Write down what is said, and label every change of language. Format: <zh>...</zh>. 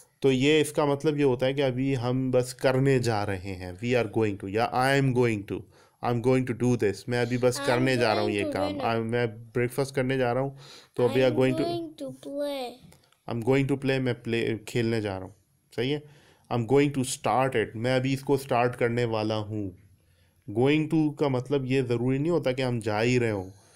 <ur>تو یہ اس کا مطلب یہ ہوتا ہے کہ ابھی ہم بس کرنے جا رہے ہیں.</ur> <en>We are going to, یا I am going to do this.</en> <ur>میں ابھی بس کرنے جا رہا ہوں یہ کام. میں بریکفاسٹ کرنے جا رہا ہوں تو ابھی</ur> <en>Are going to play. I am going to play,</en> <ur>میں پلے کھیلنے جا رہا ہوں. صحیح ہے.</ur> <en>I am going to start it,</en> <ur>میں ابھی اس کو اسٹارٹ کرنے والا ہوں. گوئنگ ٹو کا مطلب یہ ضروری نہیں ہوتا کہ ہم جا ہی رہے ہوں.</ur>